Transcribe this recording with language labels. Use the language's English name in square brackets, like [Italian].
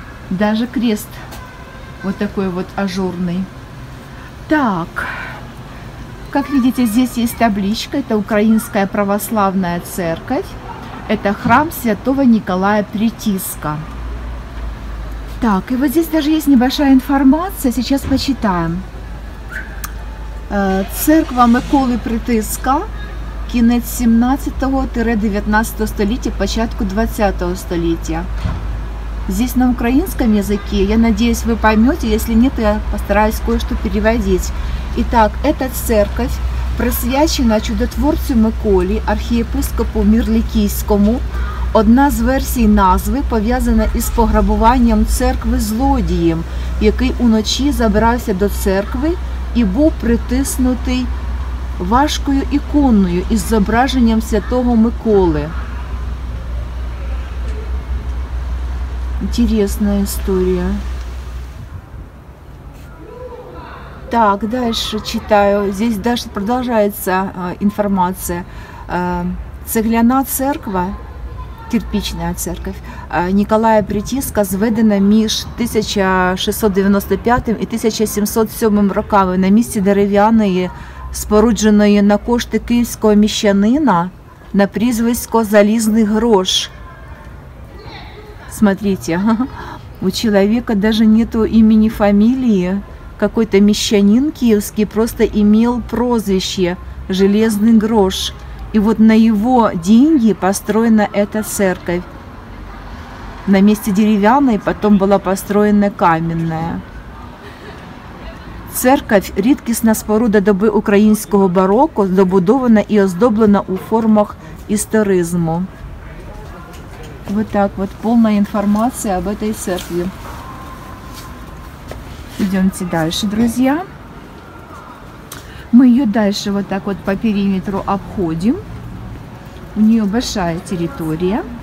[Russian] Даже крест вот такой вот ажурный. Так. Как видите, здесь есть табличка, это Украинская Православная Церковь, это храм Святого Николая Притиска. Так, и вот здесь даже есть небольшая информация, сейчас почитаем. [Ukrainian] Церква Миколи Притиска, кінець 17-19 століття, початку 20 століття. [Russian] Здесь на украинском языке, я надеюсь, вы поймете, если нет, я постараюсь кое-что переводить. Итак, эта церковь [Ukrainian] присвячена чудотворцу Миколі, архієпископу Мирликийскому. Одна з версій назви пов'язана із пограбуванням церкви злодієм, який уночі забрався до церкви і був притиснутий важкою іконою із зображенням святого Миколи. [Russian] Интересная история. Так, дальше читаю. Здесь дальше продолжается информация. [Ukrainian] Цегляна церква, [Russian] кирпичная церковь Николая Притиска, [Ukrainian] зведена між 1695 і 1707 роками на місці дерев'яної, спорудженої на кошти київського міщанина на прізвисько «Залізний грош». [Russian] Смотрите, у человека даже нету имени, фамилии. Какой-то мещанин киевский просто имел прозвище «Железный грош». И вот на его деньги построена эта церковь. На месте деревянной потом была построена каменная. [Ukrainian] Церковь – рідкісна споруда доби українського бароко, добудована і оздоблена у формах історизму. [Russian] Вот так вот, полная информация об этой церкви. Идемте дальше, друзья. Мы ее дальше вот так вот по периметру обходим. У нее большая территория.